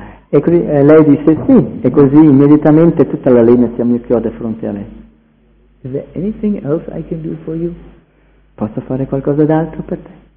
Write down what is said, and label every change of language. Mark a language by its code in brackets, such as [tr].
[it] Lei disse sì, e così immediatamente tutta la legna si ammucchiò di fronte a lei. [en] Is there anything else I can do for you? [it] Posso fare qualcosa d'altro per te?